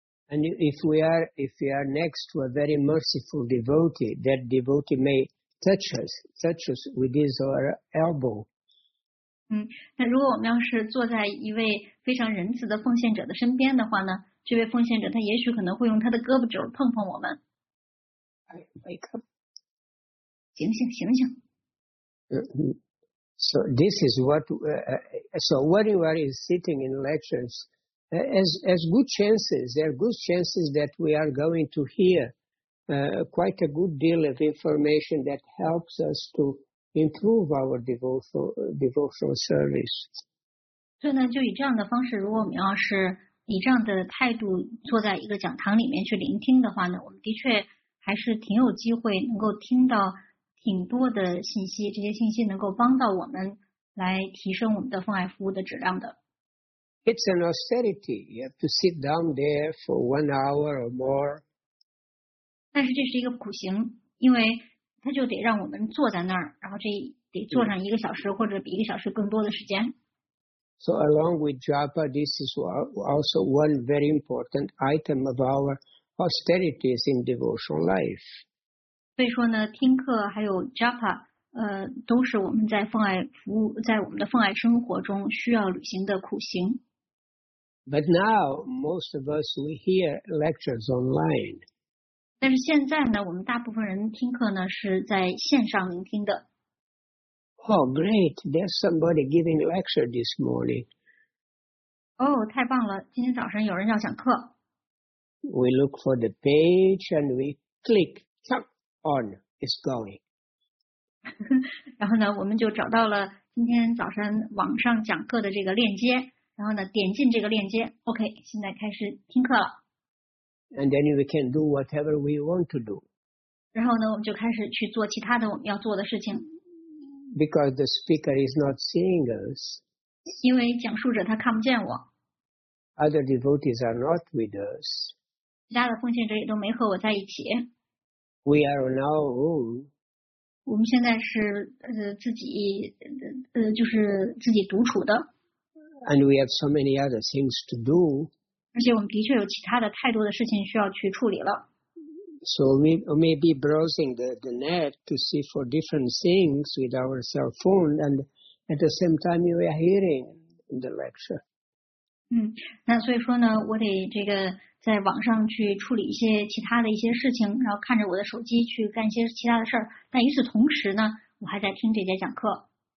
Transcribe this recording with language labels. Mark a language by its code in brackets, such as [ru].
[en] And if we are next to a very merciful devotee, that devotee may touch us with his or elbow. [zh] 那如果我们要是坐在一位非常仁慈的奉献者的身边的话呢，这位奉献者他也许可能会用他的胳膊肘碰碰我们。 [en] Wake up. [zh] 醒醒。 [en] So this is what when you are sitting in lectures, there are good chances that we are going to hear quite a good deal of information that helps us to improve our devotional service. [zh] 所以呢，就以这样的方式，如果我们要是以这样的态度坐在一个讲堂里面去聆听的话呢，我们的确还是挺有机会能够听到挺多的信息，这些信息能够帮到我们来提升我们的奉爱服务的质量的。 [en] It's an austerity. You have to sit down there for 1 hour or more. [zh] 但是这是一个苦行，因为他就得让我们坐在那儿，然后这得坐上一个小时或者比一个小时更多的时间。 [en] So along with japa, this is also one very important item of our austerities in devotional life. [zh] 所以说呢，听课还有japa，都是我们在奉爱服务，在我们的奉爱生活中需要履行的苦行。 [en] But now most of us we hear lectures online. [zh] 但是现在呢，我们大部分人听课呢是在线上聆听的。 [en] Oh, great! There's somebody giving a lecture this morning. [zh] Oh, 太棒了！今天早上有人要讲课。 [en] We look for the page and we click, tap on, it's going. [zh] 然后呢，我们就找到了今天早上网上讲课的这个链接，然后呢，点进这个链接 ，OK， 现在开始听课了。 [en] And then we can do whatever we want to do. [zh] 然后呢，我们就开始去做其他的我们要做的事情。 [en] Because the speaker is not seeing us. [zh] 因为讲述者他看不见我。 [en] Other devotees are not with us. [zh] 其他的奉献者也都没和我在一起。 [en] We are on our own. [zh] 我们现在是自己独处的。 [en] And we have so many other things to do. [zh] 而且我们的确有其他的太多的事情需要去处理了。 [en] So we may be browsing the net to see for different things with our cell phone, and at the same time we are hearing the lecture. [zh] 那所以说呢，我得这个在网上去处理一些其他的一些事情，然后看着我的手机去干一些其他的事儿。但与此同时呢，我还在听这节讲课。